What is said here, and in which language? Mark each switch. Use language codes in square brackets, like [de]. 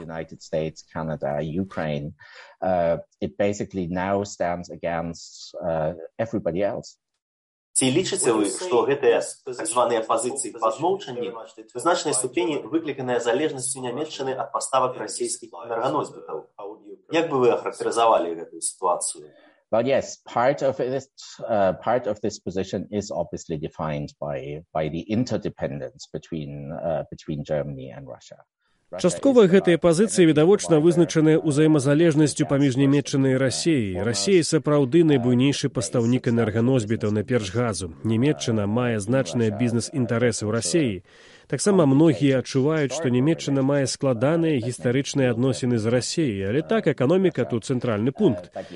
[en] United States, Canada, Ukraine, it basically now stands against everybody else. [be] Ці лічыце ви, што гэтыя так званыя пазіцыі па змоўчанні в значнай ступені выкліканыя залежнасцю Нямеччыны ад паставак расійскіх энерганосьбітаў? Як бы ви ахарактарызавалі гэтую сітуацыю? [en] Well, yes, part of this position is obviously defined by the interdependence between Germany and Russia. [be] Часткова гэтыя пазіцыі відавочна вызначаныя ўзаемазалежнасцю паміж Нямеччынай і Расіяй. Расія сапраўды найбуйнейшы пастаўнік энерганосьбітаў, найперш газу. Нямеччына мае значныя бізнес-інтарэсы ў Расіі. Таксама многія адчуваюць, што Нямеччына мае складаныя гістарычныя адносіны з Расіяй, але так, эканоміка тут цэнтральны пункт.